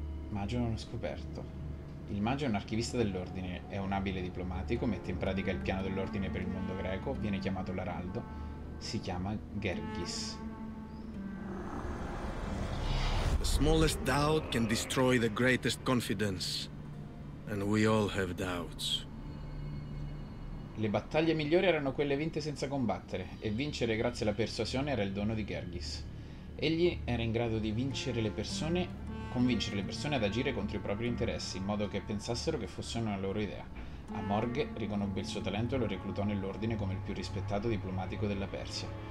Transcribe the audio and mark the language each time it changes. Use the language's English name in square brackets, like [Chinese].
[Italian] Magio non ho scoperto. Il mago è un archivista dell'ordine, è un abile diplomatico, mette in pratica il piano dell'ordine per il mondo greco, viene chiamato l'araldo, si chiama Gergis. [English] The smallest doubt can destroy the greatest confidence, and we all have doubts. [Italian] Le battaglie migliori erano quelle vinte senza combattere, e vincere grazie alla persuasione era il dono di Gergis. Egli era in grado di vincere le persone, convincere le persone ad agire contro i propri interessi, in modo che pensassero che fosse una loro idea. Amorg riconobbe il suo talento e lo reclutò nell'ordine come il più rispettato diplomatico della Persia.